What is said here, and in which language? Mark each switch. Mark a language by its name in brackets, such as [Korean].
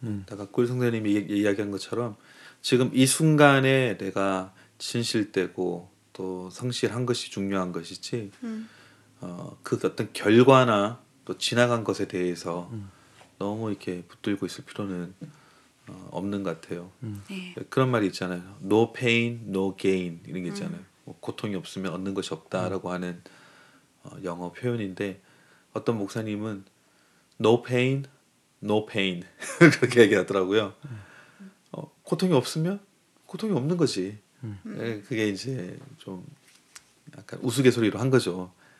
[Korean] 아까 꿀 성대님이 이야기한 것처럼 지금 이 순간에 내가 진실되고 또 성실한 것이 중요한 것이지 그 어떤 결과나 또 지나간 것에 대해서 너무 이렇게 붙들고 있을 필요는 없는 것 같아요. 네. 그런 말이 있잖아요. [English] No pain, no gain [Korean] 이런 게 있잖아요. 뭐 고통이 없으면 얻는 것이 없다라고 하는 영어 표현인데 어떤 목사님은 [English] No pain, no pain [Korean] 그렇게 얘기하더라고요. 고통이 없으면 고통이 없는 거지. 그게 이제 좀 약간 우스갯소리로 한 거죠.